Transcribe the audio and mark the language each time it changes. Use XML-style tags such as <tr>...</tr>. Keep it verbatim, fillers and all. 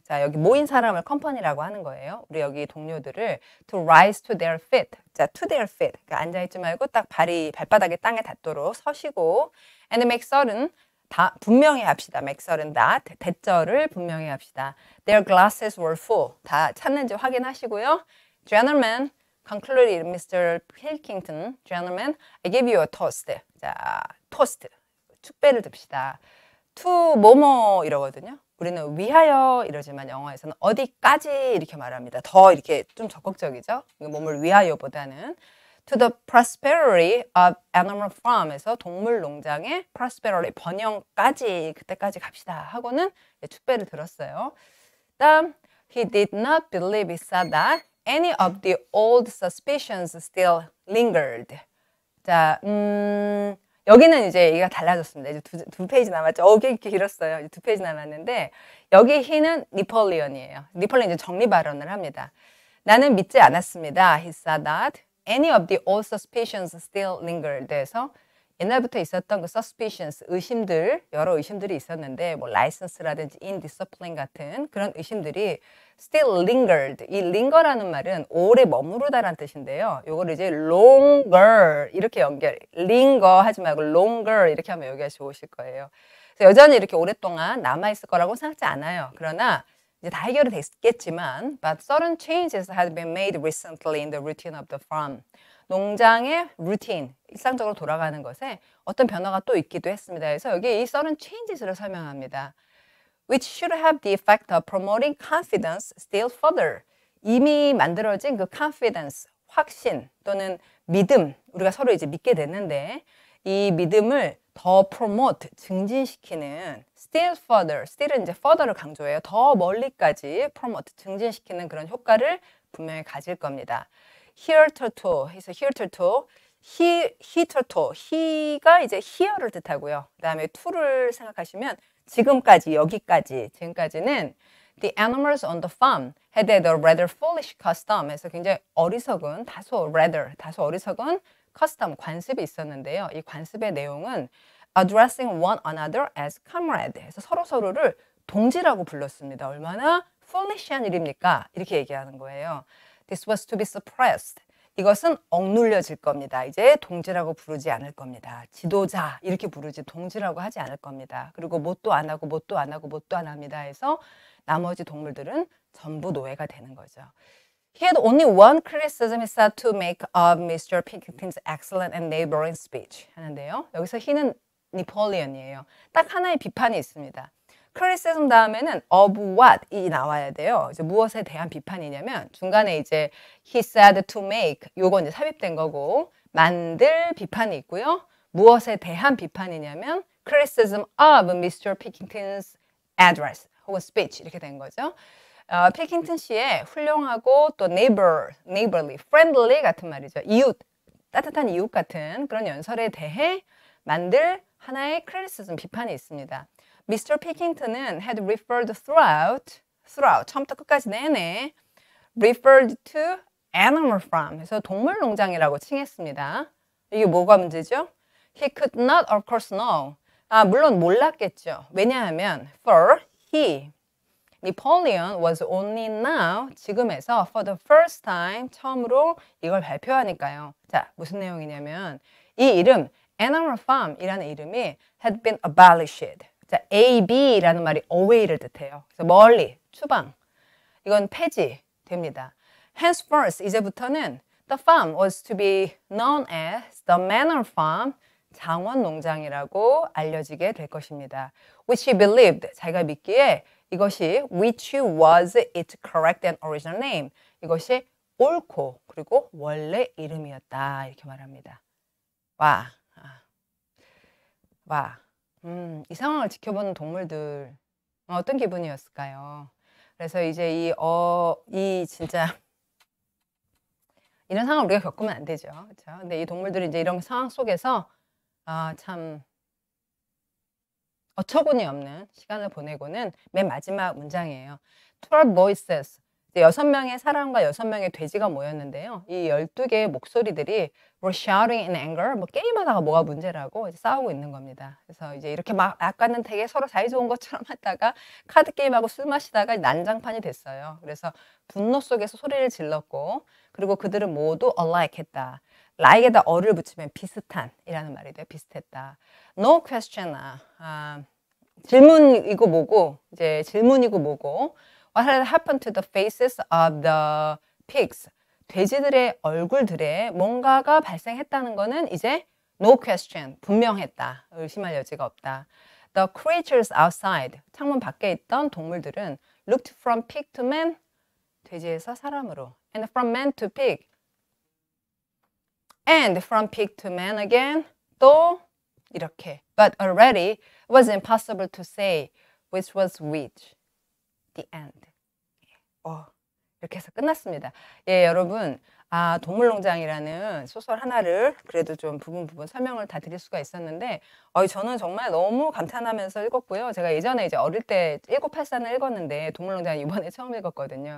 <ko>자, 여기 모인 사람을 컴퍼니라고 하는 거예요. 우리 여기 동료들을</ko> <en>to rise to their feet. 자, to their feet.</en> <ko>그러니까 앉아있지 말고 딱 발이, 발바닥에 땅에 닿도록 서시고.</ko> <en>And make certain.</en> <ko>다, 분명히 합시다.</ko> <en>make certain that.</en> <ko>대절을 분명히 합시다.</ko> <en>Their glasses were full.</en> <ko>다 찾는지 확인하시고요.</ko> <en>Gentlemen. Concluded 미스터 Pilkington, gentlemen, I give you a toast.</en> <ko>자, toast. 축배를 듭시다. To 뭐뭐 이러거든요. 우리는 위하여 이러지만 영어에서는 어디까지 이렇게 말합니다. 더 이렇게 좀 적극적이죠. 몸을 위하여보다는</ko> <en>To the prosperity of animal farm</en> <ko>에서 동물 농장의 prosperity 번영까지 그때까지 갑시다 하고는 축배를 들었어요.</ko> <en>다음 He did not believe he said that any of the old suspicions still lingered.</en> <ko>자, 음, 여기는 이제 얘기가 달라졌습니다. 이제 두, 두 페이지 남았죠. 어, 꽤 길었어요. 이제 두 페이지 남았는데 여기 he는 니폴리언이에요. 니폴리언 이제 정리 발언을 합니다. 나는 믿지 않았습니다.</ko> <en>He said that any of the old suspicions still lingered.</en> <ko>그래서 옛날부터 있었던 그 suspicions, 의심들, 여러 의심들이 있었는데 뭐 license라든지 indiscipline 같은 그런 의심들이</ko> <en>still lingered.</en> <ko>이 linger라는 말은 오래 머무르다라는 뜻인데요. 요거를 이제 longer 이렇게 연결, linger 하지 말고 longer 이렇게 하면 여기가 좋으실 거예요. 그래서 여전히 이렇게 오랫동안 남아있을 거라고 생각지 않아요. 그러나 이제 다 해결이 됐겠지만</ko> <en>but certain changes had been made recently in the routine of the farm.</en> <ko>농장의 루틴, 일상적으로 돌아가는 것에 어떤 변화가 또 있기도 했습니다. 그래서 여기 이 certain changes를 설명합니다.</ko> <en>Which should have the effect of promoting confidence still further.</en> <ko>이미 만들어진 그 confidence, 확신 또는 믿음, 우리가 서로 이제 믿게 됐는데 이 믿음을 더 promote, 증진시키는 still further, still은 이제 further를 강조해요. 더 멀리까지 promote, 증진시키는 그런 효과를 분명히 가질 겁니다. Hereto, 해서 hereto, he, hereto, he가 이제 here를 뜻하고요. 그 다음에 to를 생각하시면 지금까지, 여기까지, 지금까지는</ko> <en>The animals on the farm had a rather foolish custom</en> <ko>해서 굉장히 어리석은, 다소 rather, 다소 어리석은 custom, 관습이 있었는데요. 이 관습의 내용은</ko> <en>addressing one another as comrade</en> <ko>해서 서로서로를 동지라고 불렀습니다. 얼마나 foolish한 일입니까? 이렇게 얘기하는 거예요.</ko> <en>This was to be suppressed.</en> <ko>이것은 억눌려질 겁니다. 이제 동지라고 부르지 않을 겁니다. 지도자 이렇게 부르지 동지라고 하지 않을 겁니다. 그리고 뭣도 안 하고 뭣도 안 하고 뭣도 안 합니다 해서 나머지 동물들은 전부 노예가 되는 거죠.</ko> <en>He had only one criticism he said to make of 미스터 Pinkington's excellent and neighboring speech 하는데요.</en> <ko>여기서 he는 니폴리언이에요. 딱 하나의 비판이 있습니다. criticism 다음에는 of what이 나와야 돼요. 이제 무엇에 대한 비판이냐면 중간에 이제</ko> <en>he said to make</en> <ko>요건 이제 삽입된 거고 만들 비판이 있고요. 무엇에 대한 비판이냐면</ko> <en>criticism of 미스터 Pinkington's address</en> <ko>혹은 speech 이렇게 된 거죠. 어, 피킹턴 씨의 훌륭하고 또 neighbor, neighborly, friendly 같은 말이죠. 이웃, 따뜻한 이웃 같은 그런 연설에 대해 만들 하나의 criticism 비판이 있습니다. 미스터 Pinkington은</ko> <en>had referred throughout, throughout,</en> <ko>처음부터 끝까지 내내</ko> <en>referred to animal farm,</en> <ko>그래서 동물 농장이라고 칭했습니다. 이게 뭐가 문제죠?</ko> <en>He could not, of course, know.</en> <ko>아, 물론 몰랐겠죠. 왜냐하면</ko> <en>for he, Napoleon was only now, 지금에서 for the first time,</en> <ko>처음으로 이걸 발표하니까요. 자, 무슨 내용이냐면 이 이름, animal farm이라는 이름이</ko> <en>had been abolished.</en> <ko>자, 에이비라는 말이 away를 뜻해요. 그래서 멀리, 추방. 이건 폐지됩니다.</ko> <en>Henceforth, 이제부터는 the farm was to be known as the manor farm,</en> <ko>장원 농장이라고 알려지게 될 것입니다.</ko> <en>Which he believed,</en> <ko>자기가 믿기에 이것이</ko> <en>which was its correct and original name,</en> <ko>이것이 옳고 그리고 원래 이름이었다 이렇게 말합니다. 와, 와. 음, 이 상황을 지켜보는 동물들 어떤 기분이었을까요? 그래서 이제 이, 어, 이 진짜 이런 상황 우리가 겪으면 안 되죠. 그렇죠? 근데 이 동물들이 이제 이런 상황 속에서 아, 참 어처구니 없는 시간을 보내고는 맨 마지막 문장이에요. 십이 voices, 여섯 명의 사람과 여섯 명의 돼지가 모였는데요. 이 열두 개의 목소리들이</ko> <en>were shouting in anger,</en> <ko>뭐 게임하다가 뭐가 문제라고 이제 싸우고 있는 겁니다. 그래서 이제 이렇게 막 아까는 되게 서로 사이좋은 것처럼 하다가 카드 게임하고 술 마시다가 난장판이 됐어요. 그래서 분노 속에서 소리를 질렀고 그리고 그들은 모두 alike 했다. like에다 어를 붙이면 비슷한이라는 말이 돼요. 비슷했다.</ko> <en>No question,</en> <ko>아, 질문이고 뭐고 이제 질문이고 뭐고</ko> <en>What had happened to the faces of the pigs?</en> <ko>돼지들의 얼굴들에 뭔가가 발생했다는 것은 이제 no question, 분명했다. 의심할 여지가 없다.</ko> <en>The creatures outside,</en> <ko>창문 밖에 있던 동물들은</ko> <en>looked from pig to man,</en> <ko>돼지에서 사람으로</ko> <en>and from man to pig, and from pig to man again,</en> <ko>또 이렇게.</ko> <en>But already it was impossible to say which was which. The end.</en> <ko>어, 이렇게 해서 끝났습니다. 예, 여러분. 아, 동물농장이라는 소설 하나를 그래도 좀 부분 부분 설명을 다 드릴 수가 있었는데, 어, 저는 정말 너무 감탄하면서 읽었고요. 제가 예전에 이제 어릴 때 천구백팔십사를 읽었는데 동물농장 이번에 처음 읽었거든요.</ko>